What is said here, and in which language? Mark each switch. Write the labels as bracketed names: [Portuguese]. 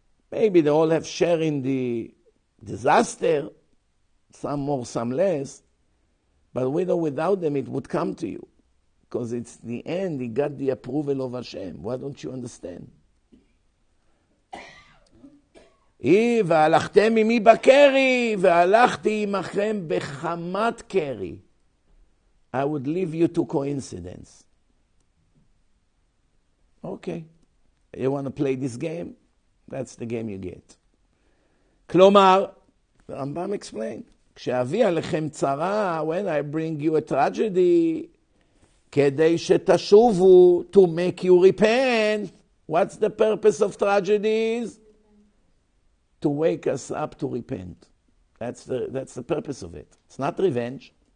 [English] Maybe they all have share in the disaster. Some more, some less. But with or without them, it would come to you. Because it's the end, he got the approval of Hashem. Why don't you understand? [Hebrew] והלכתם ממי בקרי, והלכתי עמכם בחמת קרי. [English] I would leave you to coincidence. Okay. You want to play this game? That's the game you get. [Hebrew] כלומר, רמב"ם explain. כשאביא עליכם צרה, [English] when I bring you a tragedy, [Hebrew] כדי שתשובו, [English] to make you repent. What's the purpose of tragedies? To wake us up to repent. That's the purpose of it. It's not revenge.